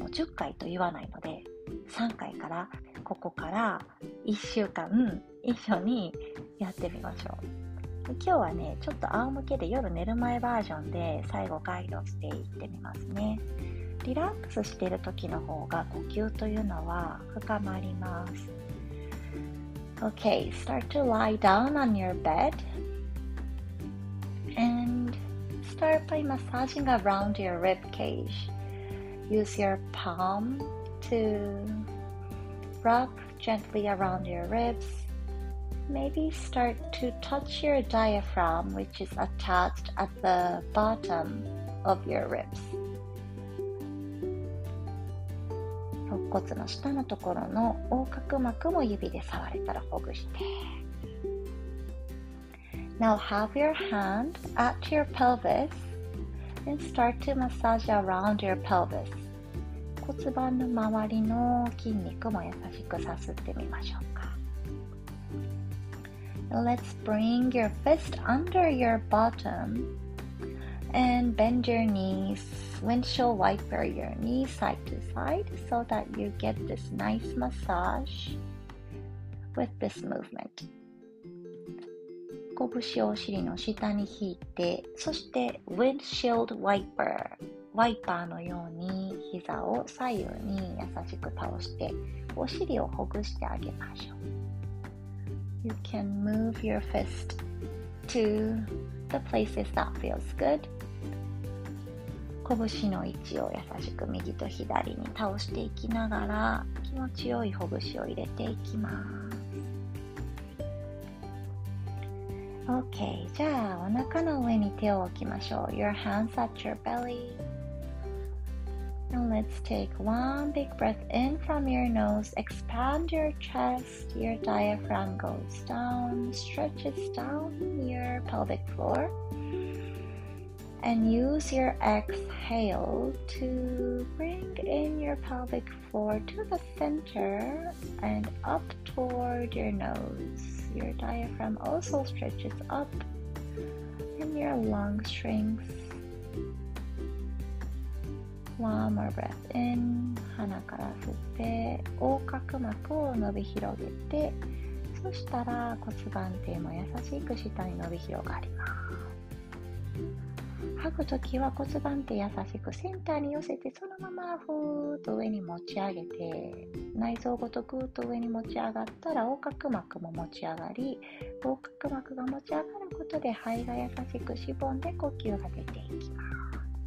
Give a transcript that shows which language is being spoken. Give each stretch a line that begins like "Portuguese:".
Japanese: もう10回と言わないので、3回からここから1週間一緒にやってみましょう。今日はね、ちょっと仰向けで夜寝る前バージョンで最後ガイドしていってみますね。リラックスしている時の方が呼吸というのは深まります。
English: Okay, start to lie down on your bed and start by massaging around your rib cage. Use your palm to rub gently around your ribs. Maybe start to touch your diaphragm, which is attached at the bottom of your ribs.
Japanese: 肋骨の下のところの横隔膜も指で触れたらほぐして。
English: Now have your hand at your pelvis and start to massage around your pelvis.
Japanese: 骨盤の周りの筋肉も優しくさすってみましょうか。
English: Let's bring your fist under your bottom and bend your knees. Windshield wiper your knees side to side so that you get this nice massage with this movement.
Japanese: 拳をお尻の下に引いて、そして
English: windshield wiper、
Japanese: ワイパーのように膝を左右に優しく倒して、お尻をほぐしてあげましょう。
English: You can move your fist to the places that feels good.
Japanese: 拳の位置を優しく右と左に倒していきながら、気持ちよいほぐしを入れていきます。 OK, じゃあお腹の上に手を置きましょう。
English: Your hands at your belly. And let's take one big breath in from your nose. Expand your chest. Your diaphragm goes down. Stretches down your pelvic floor. And use your exhale to bring in your pelvic floor to the center and up toward your nose. Your diaphragm also stretches up and your lung shrinks. One more breath in.
Japanese: 鼻から吸って横隔膜を伸び広げて、そしたら骨盤底も優しく下に伸び広がります。吐くときは骨盤底優しくセンターに寄せて、そのままふーっと上に持ち上げて、内臓ごとぐーっと上に持ち上がったら横隔膜も持ち上がり、横隔膜が持ち上がることで肺が優しくしぼんで呼吸が出ていきます。